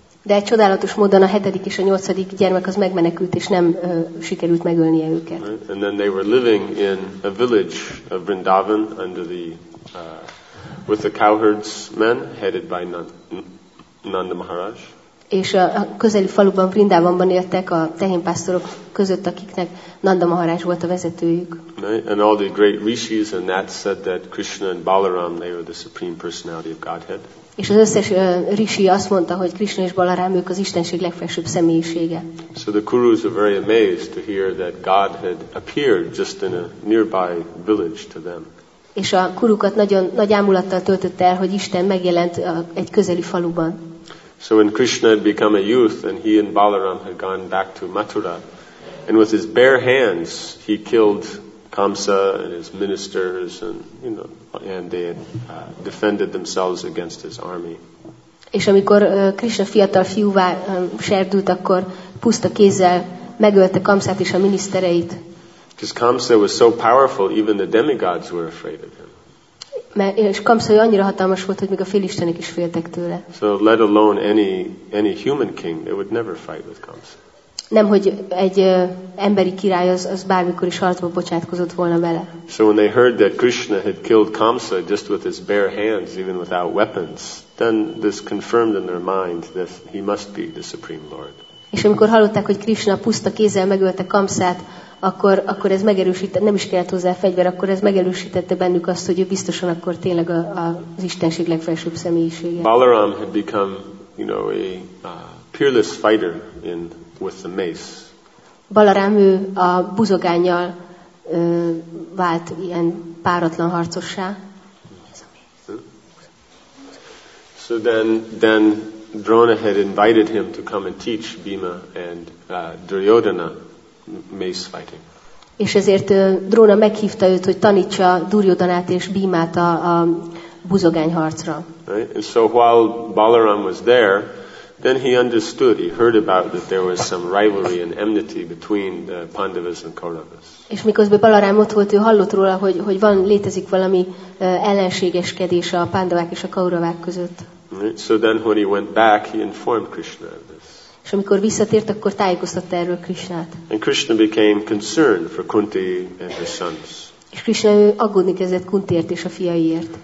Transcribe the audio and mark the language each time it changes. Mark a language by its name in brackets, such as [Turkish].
[Hungarian] De egy csodálatos módon a hetedik és a nyolcadik gyermek az megmenekült és nem sikerült megölnie őket. [English] And then they were living in a village of Vrindavan under the with the cowherds men headed by Nanda Maharaj. [Hungarian] És a közeli faluban Vrindavanban éltek a tehénpásztorok között, akiknek Nanda Maharaj volt a vezetőjük. [English] And all the great rishis and that said that Krishna and Balaram, they were the supreme personality of Godhead. [Hungarian] És az összes rishi azt mondta, hogy Krishna és Balaram ők az Istenség legfelsőbb személyisége. [English] So the Kurus were very amazed to hear that God had appeared just in a nearby village to them. [Hungarian] És a kurukat nagyon nagy ámulattal töltötte el, hogy Isten megjelent egy közeli faluban. [English] So when Krishna had become a youth and he and Balaram had gone back to Mathura, and with his bare hands he killed Kamsa and his ministers and, you know, and they had defended themselves against his army. [Hungarian] És amikor Krishna fiatal fiúvá serdült, akkor puszta kézzel megölte Kamsát és a minisztereit. [English] Because Kamsa was so powerful, even the demigods were afraid of him. [Hungarian] És Kamsa annyira hatalmas volt, hogy még a félistenek is féltek tőle. [English] So let alone any human king, they would never fight with Kamsa. [Hungarian] Nem, hogy egy emberi király az bármikor is harcba bocsátkozott volna vele. [English] So when they heard that Krishna had killed Kamsa just with his bare hands, even without weapons, then this confirmed in their mind that he must be the supreme lord. [Hungarian] És amikor hallották, hogy Krishna puszta kézzel megölte Kamsát, akkor ez megerősítette, nem is kellett hozzá fegyver, akkor ez megerősítette bennük azt, hogy ő biztosan akkor tényleg az Istenség legfelsőbb személyisége. [English] Balaram had become, you know, a peerless fighter in with the mace. [Hungarian] Balaram ő a buzogánnyal vált ilyen páratlan harcossá. [English] So then Drona had invited him to come and teach Bhima and Duryodhana mace fighting. [Hungarian] És ezért Drona meghívta őt, hogy tanítsa Duryodhanát és Bhimát a buzogány harcra. [English] Right? And so while Balaram was there, then he understood, he heard about that there was some rivalry and enmity between the Pandavas and Kauravas. [Hungarian] És miközben Balaram ott volt, ő hallott róla, hogy van, létezik valami ellenségeskedés a Pandavák és a Kauravák között. [English] Right? So then when he went back, he informed Krishna of this. [Hungarian] És amikor visszatért, akkor tájékoztatta erről Krishnát. [English] And Krishna became concerned for Kunti and his sons. [Hungarian] És Krishna aggódni kezdett Kuntiért és a fiaiért.